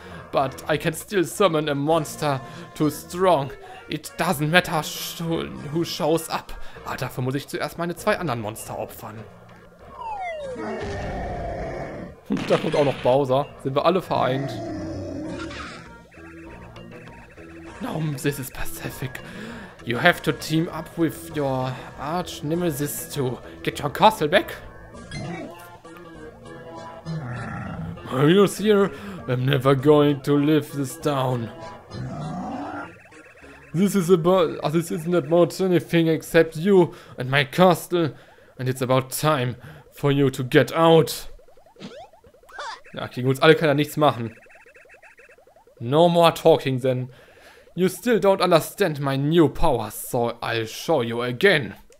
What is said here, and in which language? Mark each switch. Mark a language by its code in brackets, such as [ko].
[en] But I can still summon a monster too strong. It doesn't matter who shows up. [de] Ah, dafür muss ich zuerst meine zwei anderen Monster opfern. Da kommt auch noch Bowser. Sind wir alle vereint? [en] Now this is Pacific. You have to team up with your arch nemesis to get your castle back. Mario's here. I'm never going to leave this town. This is about. This isn't about anything except you and my castle. And it's about time. For you to get out. [de] Ja, gegen uns alle kann er nichts machen. [en] No more talking then. You still don't understand my new power, so I'll show you again.